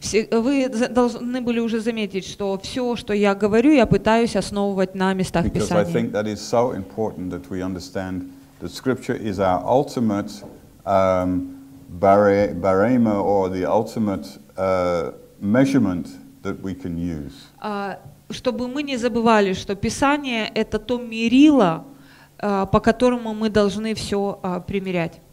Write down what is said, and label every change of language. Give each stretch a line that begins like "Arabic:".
Russian: Вы должны были уже заметить, что все, что я говорю, я пытаюсь основывать на местах Писания.
English: Because I think that is so important that we understand that Scripture is our ultimate barema or the ultimate measurement that we can use.
Russian: Чтобы мы не забывали, что Писание — это то мерило, по которому мы должны все примерять.